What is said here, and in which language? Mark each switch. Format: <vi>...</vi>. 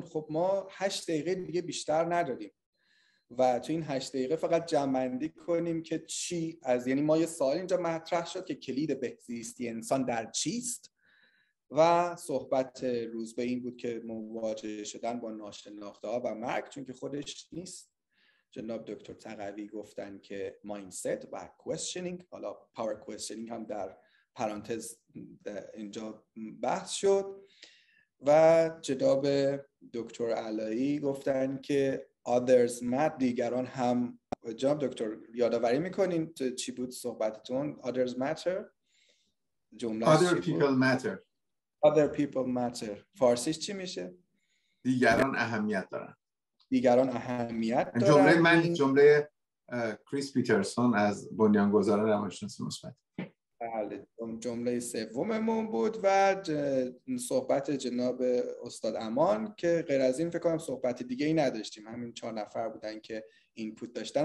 <fa>خب ما 8 دقیقه دیگه بیشتر نداریم و تو این 8 دقیقه فقط جمع‌بندی کنیم که چی از، یعنی ما یه سوال اینجا مطرح شد که کلید بهزیستی انسان در چیست، و صحبت روز به این بود که مواجه شدن با ناشناخته‌ها و مرگ، چون که خودش نیست، جناب دکتر تقوی گفتن که مایندست و کوئسچنینگ، حالا پاور کوئسچنینگ هم در پرانتز اینجا بحث شد، و جناب دکتر علایی گفتن که</fa> <en>others mat،</en> <fa>دیگران هم، جناب دکتر یادآوری میکنین چی بود صحبتتون؟</fa> <en>others matter،</en> <fa>جمله</fa> <en>other people matter، other people matter،</en> <fa>فارسیش چی میشه؟ دیگران اهمیت دارن، دیگران اهمیت دارن. جمله من جمله کریس پیترسون از بنیانگذار روانشناسی مثبت، بله، جمله سوممون بود، و صحبت جناب استاد امان، که غیر از این فکر کنم صحبت دیگه ای نداشتیم، همین 4 نفر بودن که اینپوت داشتن.</fa>